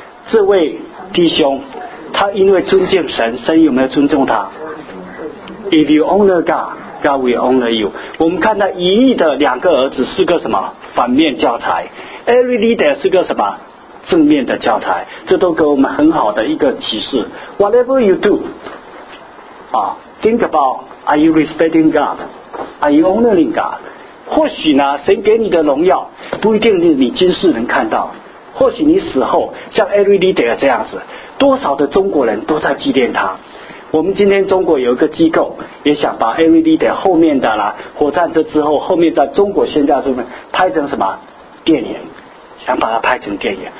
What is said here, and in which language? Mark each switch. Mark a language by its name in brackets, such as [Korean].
[Chinese] 这位弟兄他因为尊敬神，神有没有尊重他？ [English] If you honor God, God will honor you。 [Chinese] 我们看到以利的两个儿子是个什么反面教材， [English] Every leader [Chinese] 是个什么正面的教材，这都给我们很好的一个启示。 [English] Whatever you do、think about Are you respecting God? Are you honoring God? [Chinese] 或许呢，神给你的荣耀不一定是你今世能看到，或许你死后像 Eric Liddell 这样子，多少的中国人都在纪念他。我们今天中国有一个机构也想把 Eric Liddell 后面的啦，火战车之后后面在中国宣教中拍成什么电影，想把它拍成电影。